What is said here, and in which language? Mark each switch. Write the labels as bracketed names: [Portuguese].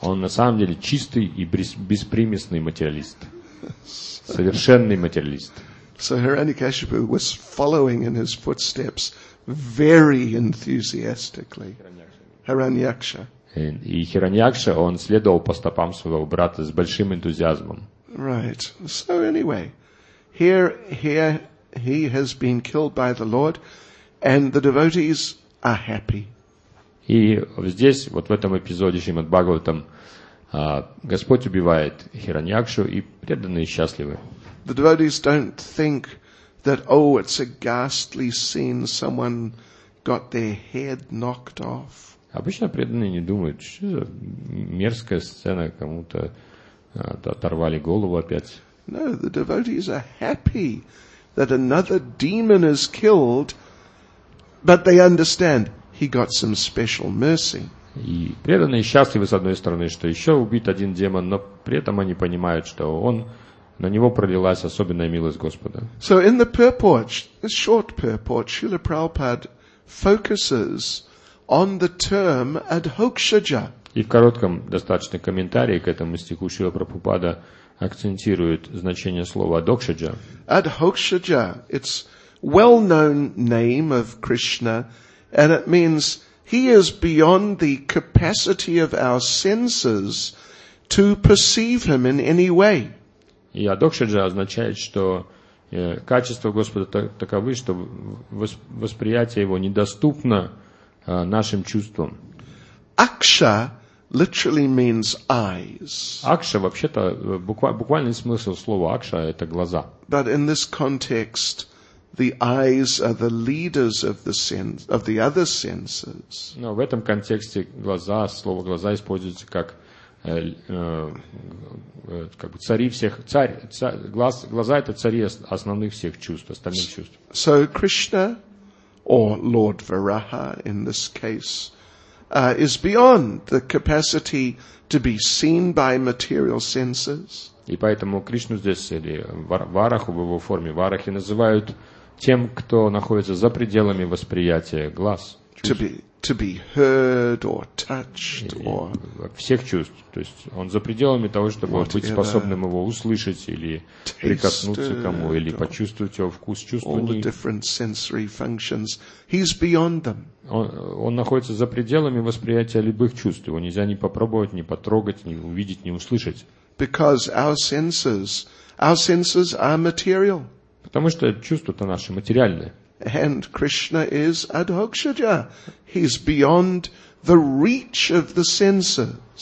[Russian] Он на самом деле чистый и беспримесный материалист. Совершенный материалист. [English] So Hiranyakashipu was following in his footsteps very enthusiastically. Hiranyaksha. [Russian] И Хираньякша, он следовал по стопам своего брата с большим энтузиазмом. [English] Right. So anyway, here he has been killed by the Lord, and the devotees are happy. [Russian] И здесь, вот в этом эпизоде Шримад-Бхагаватам, Господь убивает Хираньякшу, и преданные счастливы. [English] The devotees don't think that, oh, it's a ghastly scene, someone got their head knocked off. [Russian] Обычно преданные не думают, что за мерзкая сцена, кому-то оторвали голову опять. [English] No, the devotees are happy that another demon is killed, but they understand he got some special mercy. [Russian] И преданные счастливы, с одной стороны, что еще убит один демон, но при этом они понимают, что он, на него пролилась особенная милость Господа. [English] So in the purport, the short purport, Srila Prabhupada focuses on the term adhokshaja. [Russian] И в коротком достаточно комментарии к этому стиху Шрила Прабхупада акцентирует значение слова адхокшаджа. [English] Adhokshaja, it's well-known name of Krishna, and it means he is beyond the capacity of our senses to perceive him in any way. [Russian] И адхокшаджа означает, что качество Господа таковы, что восприятие его недоступно нашим чувствам. [English] Aksha literally means eyes. [Russian] Aksha вообще-то буквальный смысл слова aksha — это глаза. [English] But in this context, the eyes are the leaders of the sense, of the other senses. [Russian] Но в этом контексте глаза, слово глаза используется как как бы цари всех, глаза это цари основных всех чувств, остальных чувств. [English] So Krishna, or Lord Varaha in this case, is beyond the capacity to be seen by material senses. [Russian] И поэтому Кришну здесь, или Вараху в его форме, Варахи называют тем, кто находится за пределами восприятия глаз. [English] To be heard or touched or [Russian] всех чувств, то есть он за пределами того, чтобы быть способным его услышать или прикоснуться к кому или почувствовать его вкус, чувствовать. [English] All the different sensory functions, he's beyond them. [Russian] Он находится за пределами восприятия любых чувств, его нельзя ни попробовать, ни потрогать, ни увидеть, ни услышать. [English] Because our senses are material. [Russian] Потому что чувства-то наши материальные. [English] And Krishna is Adhokshaja. He's beyond the reach of the senses.